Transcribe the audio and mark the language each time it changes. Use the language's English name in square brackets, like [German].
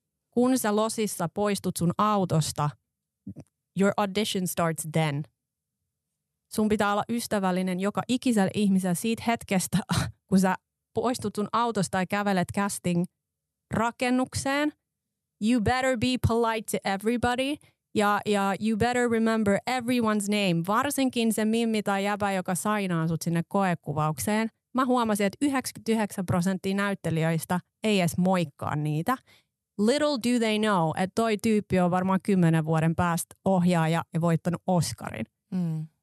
[Finnish] Kun sä Losissa poistut sun autosta, [English] your audition starts then. [Finnish] Sun pitää olla ystävällinen joka ikisellä ihmisellä siitä hetkestä, kun sä poistut sun autosta ja kävelet casting-rakennukseen. [English] You better be polite to everybody. [Finnish] Ja [English] you better remember everyone's name. [Finnish] Varsinkin se mimmi tai jäbä, joka sainaa sut sinne koekuvaukseen. Mä huomasin, että 99% näyttelijöistä ei edes moikkaa niitä. [English] Little do they know, [Finnish] että toi tyyppi on varmaan 10 vuoden päästä ohjaaja ja voittanut Oscarin. Mm.